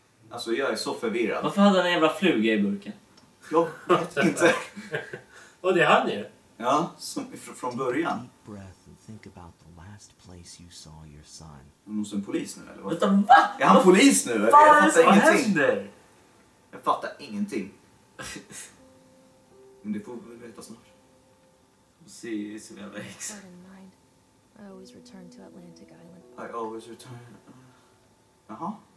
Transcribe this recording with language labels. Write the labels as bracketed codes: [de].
[sv] Alltså jag är så förvirrad. Varför hade han en jävla fluga i burken? Jag vet inte. Och det är han ju. Ja, från början. [en] Deep breath and think about the last place you saw your son. [sv] Han måste en polis nu eller vad? Vänta, va? Är han polis nu? Fan, jag fattar ingenting. Händer? Jag fattar ingenting. Men det får vi veta snart. Se som jag växer. [en] I always return to Atlantic Island. I always return. Jaha.